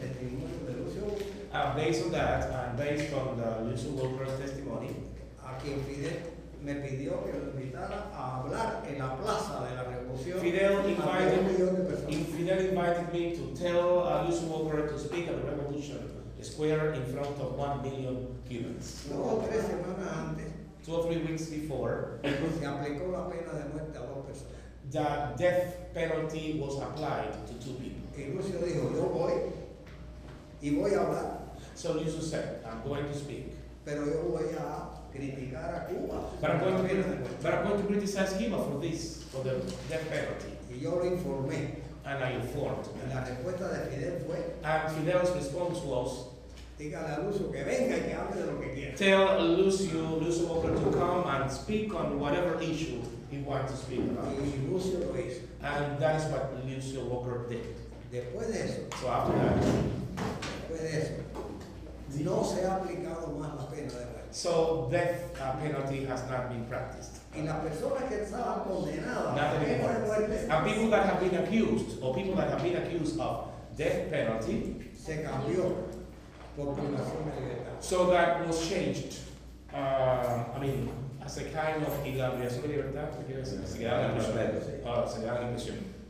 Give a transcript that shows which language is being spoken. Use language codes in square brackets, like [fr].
[en] And based on that, and based on the Lucian Walker's testimony, Fidel invited me to tell Lucian Walker to speak at the Revolution Square in front of 1 million Cubans. Two or three weeks before, the death penalty was applied to two people. [es] Lucio dijo, yo voy y voy a hablar. [en] So Lucio said, I'm going to speak. [es] Pero yo voy a criticar a Cuba. [en] But I'm going to criticize Cuba for this, for the death penalty. [es] Y yo lo informé. [en] And I informed. [es] Y la respuesta de Fidel fue, [en] and Fidel's response was, [es] dígale a Lucio que venga y que hable de lo que quiera. [en] Tell Lucio Walker to come and speak on whatever issue he wants to speak about. [es] Y Lucio lo hizo. [en] And that is what Lucio Walker did. [es] Después de eso, [en] so after that, [es] después de eso, no se ha aplicado más la pena de muerte. [en] So death penalty has not been practiced. [es] Y las personas que estaban condenadas a la pena de muerte, [en] and people that have been accused, or people that have been accused of death penalty, [es] se cambió por privación de libertad. [en] So that was changed, as a kind of [es] privación de libertad, se quedaron en prisión.